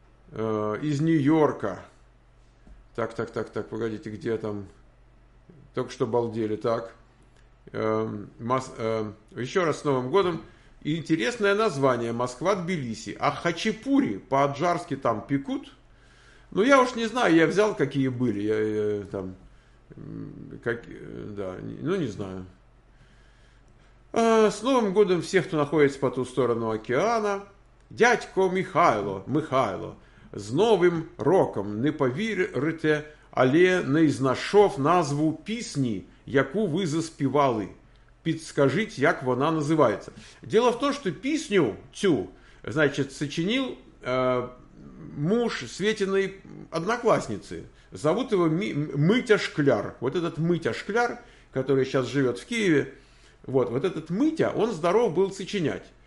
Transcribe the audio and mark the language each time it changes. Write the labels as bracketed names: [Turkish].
[Russian] из Нью-Йорка, так, погодите, где там, только что балдели, так, еще раз с Новым годом, интересное название, Москва-Тбилиси, а хачапури по-аджарски там пекут, ну я уж не знаю, я взял какие были, я там, как, да, ну, не знаю. С Новым годом всех, кто находится по ту сторону океана. [Ukrainian] Дядько Михайло, Михайло, с Новым роком, не повірите, але не знайшов назву пісні, яку ви заспівали. Підскажіть, як вона називається. [Russian] Дело в том, что [Ukrainian] пісню цю, [Russian] значит, сочинил муж Светиной одноклассницы. Зовут его Митя Шкляр. Вот этот Митя Шкляр, который сейчас живет в Киеве, вот этот Митя, он здоров был сочинять.